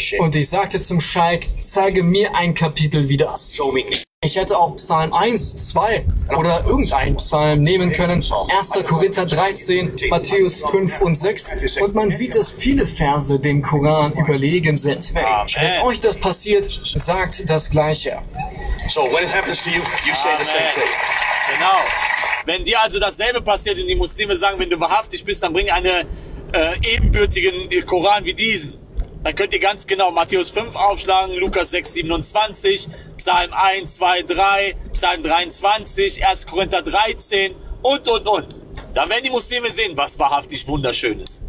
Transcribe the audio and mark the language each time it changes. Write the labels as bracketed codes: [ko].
[de] Und ich sagte zum Sheikh, zeige mir ein Kapitel wie das. Ich hätte auch Psalm 1, 2 oder irgendein Psalm nehmen können. 1. Korinther 13, Matthäus 5 und 6. Und man sieht, dass viele Verse dem Koran überlegen sind. Wenn euch das passiert, sagt das Gleiche. [en] So, when it happens to you, you say the same thing. [de] Genau. Wenn dir also dasselbe passiert und die Muslime sagen, wenn du wahrhaftig bist, dann bring einen ebenbürtigen Koran wie diesen. Dann könnt ihr ganz genau Matthäus 5 aufschlagen, Lukas 6, 27, Psalm 1, 2, 3, Psalm 23, 1. Korinther 13 und. Dann werden die Muslime sehen, was wahrhaftig wunderschön ist.